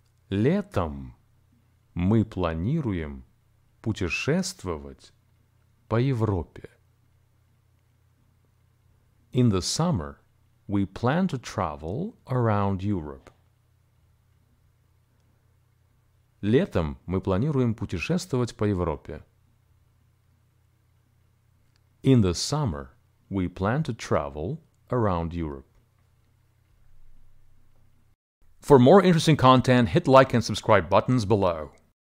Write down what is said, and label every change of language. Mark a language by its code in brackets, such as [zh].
[ru] Летом мы планируем путешествовать по Европе. [en] In the summer, we plan to travel around Europe. [ru] Летом мы планируем путешествовать по Европе. [en] In the summer, we plan to travel around Europe. For more interesting content, hit like and subscribe buttons below.